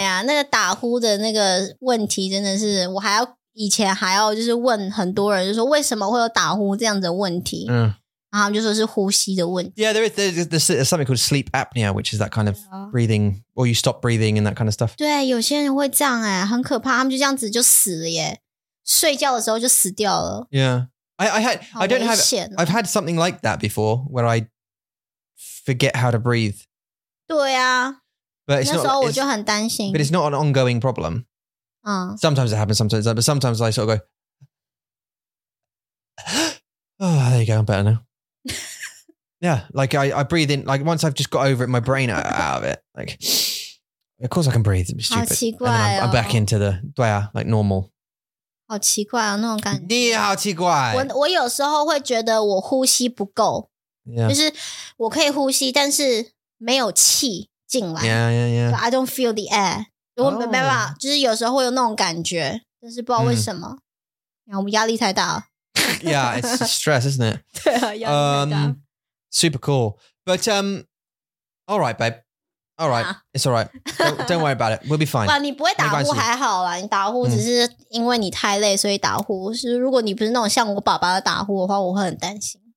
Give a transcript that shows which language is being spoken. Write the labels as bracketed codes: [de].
[zh] Yeah, 那个打呼的那个问题真的是我还要以前还要就是问很多人就说为什么会有打呼这样的问题、嗯、然后就说是呼吸的问题 [en] Yeah, there's something called sleep apnea which is that kind of breathing or you stop breathing and that kind of stuff [zh] 对有些人会这样耶很可怕他们就这样子就死了耶睡觉的时候就死掉了 [en] Yeah I've had something like that before where I forget how to breathe [zh] 对啊 [en] but it's [zh] 那时候我就很担心 [en] But it's not an ongoing problemSometimes it happens, but sometimes I sort of go, oh, there you go, I'm better now. Yeah, like I breathe in, like once I've just got over it, my brain out of it, like, of course I can breathe, it's stupid. [zh] 好奇怪哦。 [en] And I'm back into the, 对啊, like normal. [zh] 好奇怪哦,那种感觉。你好奇怪。我有时候会觉得我呼吸不够。 [en] Yeah. [zh] 就是我可以呼吸,但是没有气进来。 [en] Yeah, yeah, yeah. So I don't feel the air. [zh] 我没办法、 [en] oh. [zh] 就是有时候会有那种感觉但是不知道为什么、嗯、我们压力太大了 [en] Yeah, it's stress, isn't it? [zh] 对啊压力太大、 [en] Super cool But alright babe Alright, it's alright don't worry about it, we'll be fine [zh] 哇你不会打呼还好啦你打呼只是因为你太累所以打呼、嗯、是如果你不是那种像我爸爸的打呼的话我会很担心